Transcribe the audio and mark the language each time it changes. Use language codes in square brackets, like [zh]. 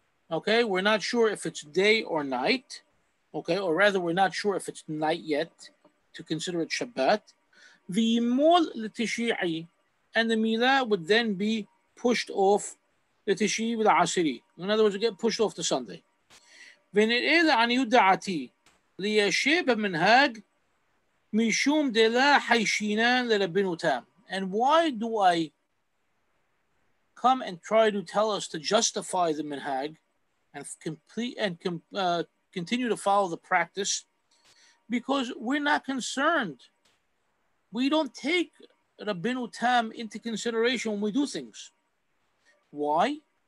[en] Okay, we're not sure if it's day or night. Okay, or rather, we're not sure if it's night yet to consider it Shabbat. [he] V'yimol l'tishi'i, [en] and the Milah would then be pushed off [he] לתשיעי ולעשירי. [en] In other words, it gets pushed off to Sunday. [he] ונראה לעניות דעתי, ליישב במנהג משום דלה חיישינן לרבנו תם. [en] And why do I come and try to tell us to justify the minhag and continue to follow the practice, because we're not concerned. We don't take Rabbenu Tam into consideration when we do things. Why?